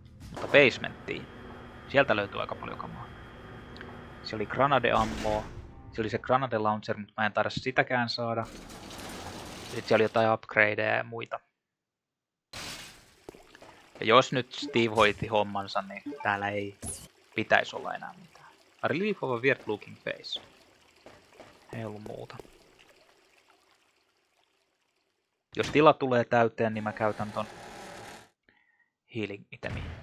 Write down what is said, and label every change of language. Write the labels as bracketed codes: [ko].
[fi] Mutta basementtiin. Sieltä löytyy aika paljon kamaa. Se oli granadeammoa. Se oli se granadelauncher, mutta mä en taida sitäkään saada. Sitten siellä oli jotain upgradeja ja muita. Ja jos nyt Steve hoiti hommansa, niin täällä ei pitäisi olla enää mitään. [en] A relief of a weird looking face. [fi] Ei ollut muuta. Jos tila tulee täyteen, niin mä käytän ton healing itemi.